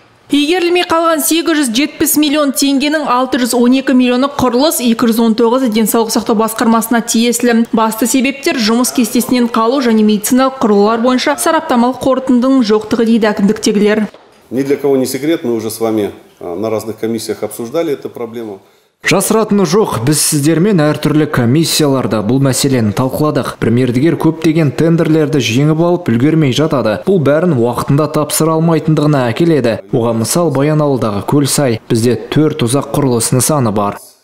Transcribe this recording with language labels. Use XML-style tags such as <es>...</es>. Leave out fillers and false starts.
<kk>Игерілмей қалған 870 миллион теңгенің 612 миллионы құрылыс, 219 денсаулық сақтау басқармасына тиесілі. Басты себептер жұмыс кестесінен қалу және медициналық құрылылар бойынша сараптамалық қорытындың жоқтығы, дейді әкімдіктегілер.</kk> <ru>Ни для кого не секрет, мы уже с вами на разных комиссиях обсуждали эту проблему.</ru> <kk>Жасыратыны жоқ, біз сіздермен әртүрлі комиссияларда бұл мәселені талқыладық. Премьердігер көптеген тендерлерді жеңіп алып үлгермей жатады. Бұл бәрін уақытында тапсыра алмайтындығына әкеледі. Оған мысал Баянауылдағы Көлсай. Бізде 4 ұзақ құрылыс нысаны бар.</kk>